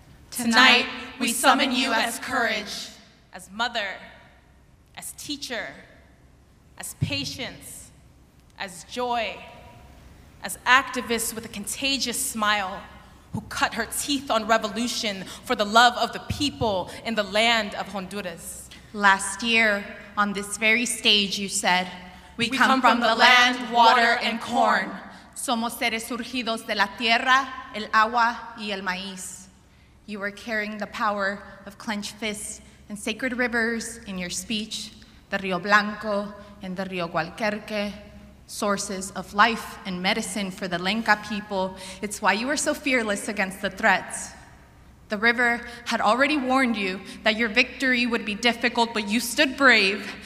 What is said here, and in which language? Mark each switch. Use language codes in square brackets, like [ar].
[en] Tonight, we summon you as courage, as mother, as teacher, as patience, as joy, as activists with a contagious smile who cut her teeth on revolution for the love of the people in the land of Honduras. Last year, on this very stage, you said, We come from the land, water, and corn. [es] Somos seres surgidos de la tierra, el agua, y el maíz. [en] You were carrying the power of clenched fists and sacred rivers in your speech, the Rio Blanco and the Rio Gualquerque, sources of life and medicine for the Lenca people. It's why you were so fearless against the threats. The river had already warned you that your victory would be difficult, but you stood brave.